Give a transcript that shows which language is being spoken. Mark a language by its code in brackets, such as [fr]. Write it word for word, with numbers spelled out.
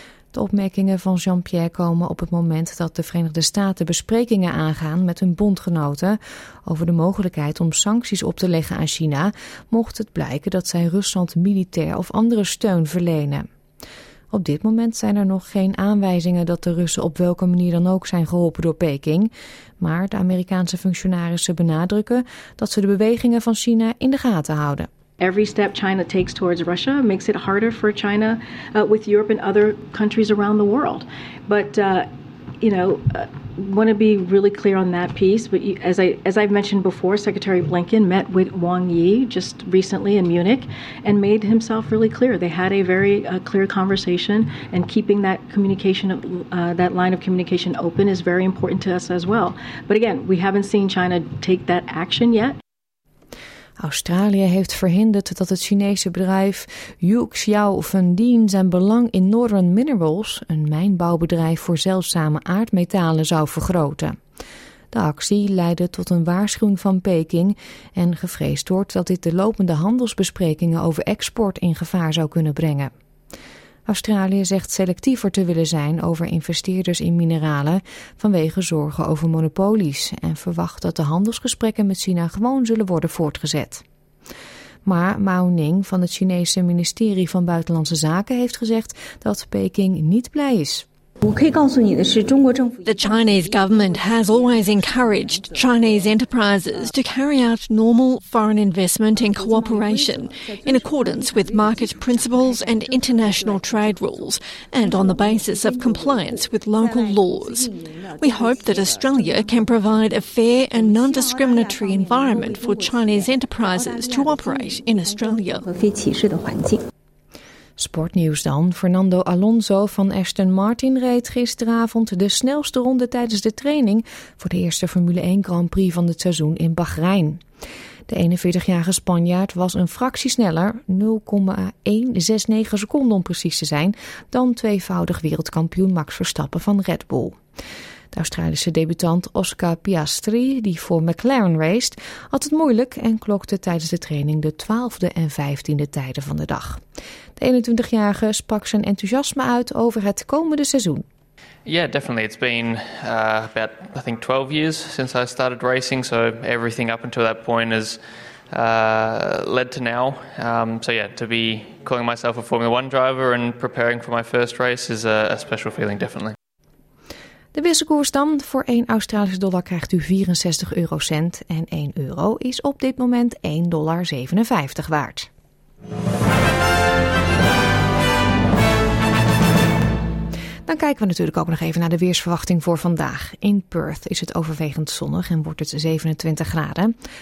[nl] De opmerkingen van Jean-Pierre komen op het moment dat de Verenigde Staten besprekingen aangaan met hun bondgenoten over de mogelijkheid om sancties op te leggen aan China, mocht het blijken dat zij Rusland militair of andere steun verlenen. Op dit moment zijn er nog geen aanwijzingen dat de Russen op welke manier dan ook zijn geholpen door Peking, maar de Amerikaanse functionarissen benadrukken dat ze de bewegingen van China in de gaten houden. [en] Every step China takes towards Russia makes it harder for China uh, with Europe and other countries around the world. But, uh, you know, uh, want to be really clear on that piece. But you, as, I, as I've mentioned before, Secretary Blinken met with Wang Yi just recently in Munich and made himself really clear. They had a very uh, clear conversation, and keeping that communication, uh, that line of communication open is very important to us as well. But again, we haven't seen China take that action yet. [nl] Australië heeft verhinderd dat het Chinese bedrijf Yuxiao Fundin zijn belang in Northern Minerals, een mijnbouwbedrijf voor zeldzame aardmetalen, zou vergroten. De actie leidde tot een waarschuwing van Peking en gevreesd wordt dat dit de lopende handelsbesprekingen over export in gevaar zou kunnen brengen. Australië zegt selectiever te willen zijn over investeerders in mineralen vanwege zorgen over monopolies en verwacht dat de handelsgesprekken met China gewoon zullen worden voortgezet. Maar Mao Ning van het Chinese ministerie van Buitenlandse Zaken heeft gezegd dat Peking niet blij is. [en] The Chinese government has always encouraged Chinese enterprises to carry out normal foreign investment and cooperation in accordance with market principles and international trade rules and on the basis of compliance with local laws. We hope that Australia can provide a fair and non-discriminatory environment for Chinese enterprises to operate in Australia. [nl] Sportnieuws dan. Fernando Alonso van Aston Martin reed gisteravond de snelste ronde tijdens de training voor de eerste Formule één Grand Prix van het seizoen in Bahrein. De eenenveertigjarige Spanjaard was een fractie sneller, nul komma honderdnegenenzestig seconden om precies te zijn, dan tweevoudig wereldkampioen Max Verstappen van Red Bull. De Australische debutant Oscar Piastri, die voor McLaren raced, had het moeilijk en klokte tijdens de training de twaalfde en vijftiende tijden van de dag. De eenentwintigjarige sprak zijn enthousiasme uit over het komende seizoen. [en] Yeah, definitely. It's been uh, about I think twelve years since I started racing, so everything up until that point has uh, led to now. Um, so yeah, to be calling myself a Formula one driver and preparing for my first race is a, a special feeling, definitely. [nl] De wisselkoers dan. Voor één Australische dollar krijgt u vierenzestig eurocent en één euro is op dit moment één komma zevenenvijftig dollar waard. Dan kijken we natuurlijk ook nog even naar de weersverwachting voor vandaag. In Perth is het overwegend zonnig en wordt het zevenentwintig graden.